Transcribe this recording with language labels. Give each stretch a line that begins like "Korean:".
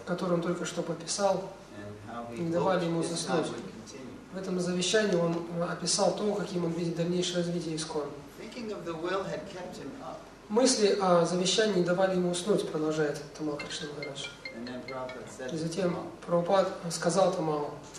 Russian: который он только что подписал, и давали ему заснуть. В этом завещании он описал то, каким он видит дальнейшее развитие ИСККОН.
English: Thinking of the will had kept him up.
Russian: Мысли о завещании давали ему уснуть, продолжает Тамал Кришна Махарадж.
English: And then Prabhupada said,
Russian: и затем Прабхупад сказал Тамалу,